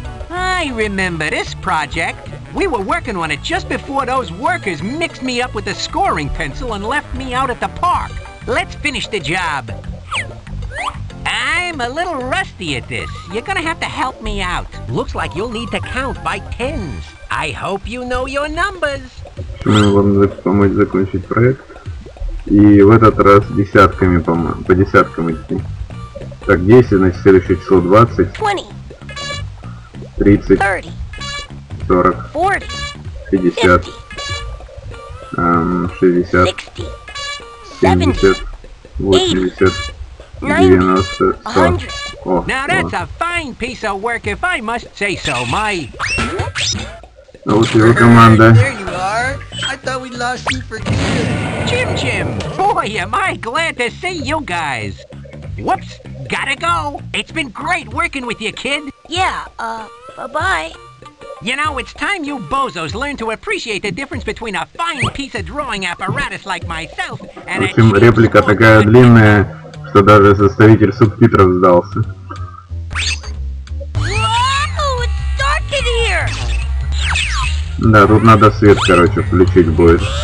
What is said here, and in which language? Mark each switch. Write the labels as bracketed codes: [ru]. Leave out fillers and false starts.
[en] I remember this project. We were working on it just before those workers mixed me up with a scoring pencil and left me out at the park. Let's finish the job. I'm a little rusty at this. You're gonna have to help me out. Looks like you'll need to count by tens. I hope you know your numbers. [ru] Вам помочь закончить проект. И в этот раз десятками, по десяткам идти. Так, 10, значит, следующее число 20. 20. 30, 40, 50, 60, 70, 80, 90, 100. [en] Now that's a fine piece of work, if I must say so, my... [ru] А вот его команда. [en] There you are. I thought we lost you for good. Jim Jim, boy, am I glad to see you guys. Whoops, gotta go. It's been great working with you, kid. Yeah, bye-bye. You know, it's time you bozos learn to appreciate the difference between a fine piece of drawing apparatus like myself and a... [ru] В общем, реплика такая длинная, что даже составитель субтитров сдался. [en] Wow, it's dark in here! [ru] Да, тут надо свет, короче, включить будет.